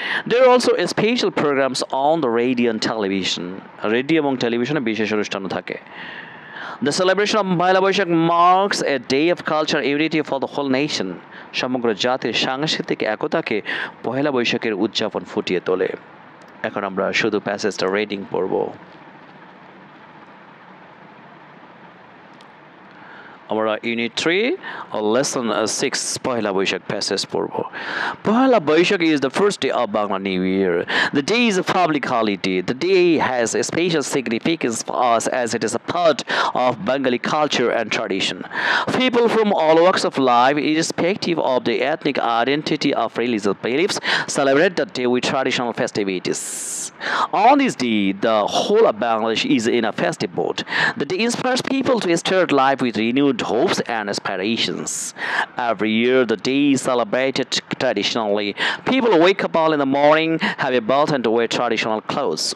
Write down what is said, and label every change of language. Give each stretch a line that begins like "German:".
English: There are also special programs on the radio and television.
Bangla: Radio and television বিশেষ অনুষ্ঠান থাকে।
English: The celebration of Baila Boishakh marks a day of cultural unity for the whole nation.
Bangla: সমগ্র জাতির সাংস্কৃতিক একতাকে পহেলা বৈশাখের উদযাপন ফুটিয়ে তোলে। এখন আমরা শুধু প্যাসেজটা রিডিং পড়ব। আমরা unit 3 lesson 6 Pohela Boishakh passage পড়ব।
English: Pohela Boishakh is the first day of Bangla new year. The day is a public holiday. The day has a special significance for us as it is a part of Bengali culture and tradition. People from all works of life irrespective of the ethnic identity of religious beliefs celebrate the day with traditional festivities. On this day, the whole of Bangladesh is in a festive mood. The day inspires people to start life with renewed hopes and aspirations. Every year, the day is celebrated traditionally. People wake up early in the morning, have a bath and wear traditional clothes.